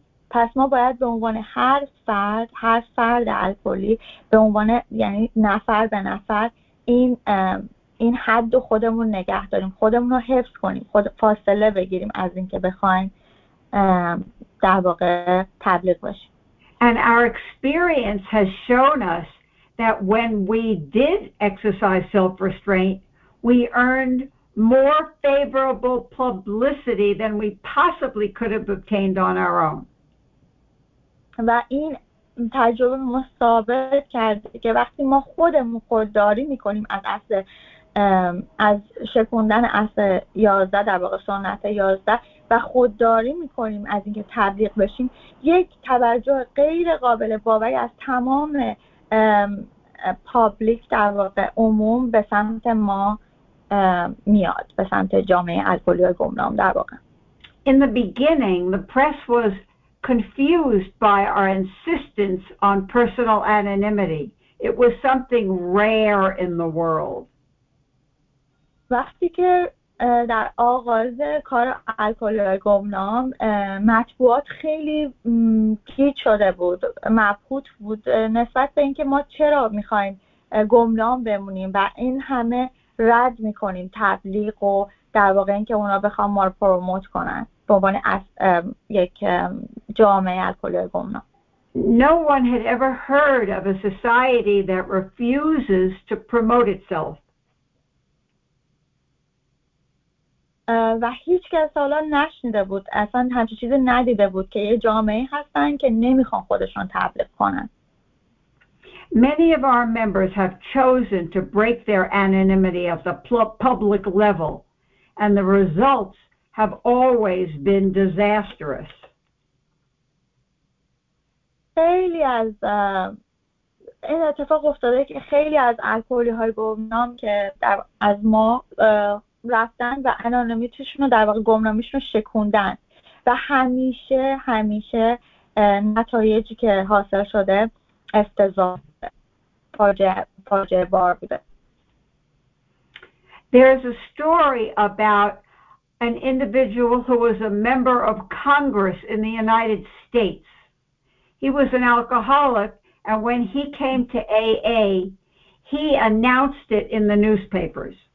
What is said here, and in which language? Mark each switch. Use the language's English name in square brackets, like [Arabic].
[Persian] پس ما باید به عنوان هر فرد الکلی به عنوان یعنی نفر به نفر این حد خودمون نگه داریم، خودمون رو حفظ کنیم، خود فاصله بگیریم از اینکه بخوایم در واقع تبلیغ باشیم. [English] And our experience has shown us that when we did exercise self-restraint, we earned more favorable publicity than we possibly could have obtained on our own. [Persian] و این تجربه ما ثابت کرده که وقتی ما خودمون خودداری میکنیم از اصل از شکوندن اصل 11 در واقع سنت 11 و خودداری میکنیم از اینکه تبلیغ بشیم، یک توجه غیر قابل باوری از تمام پابلیک در واقع عموم به سمت ما میاد، به سمت جامعه الکلی و گمنام در واقع. [English] In the beginning the press was confused by our insistence on personal anonymity. It was something rare in the world. [Persian] وقتی که در آغاز کار الکلی و گمنام مطبوعات خیلی گیج شده بود، مبهوت بود نسبت به اینکه ما چرا میخواییم گمنام بمونیم و این همه رد میکنیم تبلیغ و در واقع اینکه اونا بخوام ما رو پروموت کنن به عنوان یک جامعه الکلی و گمنام. [English] No one had ever heard of a society that refuses to promote itself. [Persian] و هیچ کس حالا نشنیده بود، اصلا همچی چیز ندیده بود که یه جامعه هستن که نمیخوان خودشون تبلیغ کنن. [English] Many of our members have chosen to break their anonymity at the public level and the results have always been disastrous. [Persian] خیلی از این اتفاق افتاده که خیلی از الکلی های گمنام که در از ما رفتن و انانمیتشون رو در واقع گمنامیشون رو شکوندن و همیشه همیشه نتایجی که حاصل شده افتضاح فاجعه بار بوده. [English] There is a story about an individual who was a member of Congress in the United States. He was an alcoholic and when he came to AA, he announced it in the newspapers.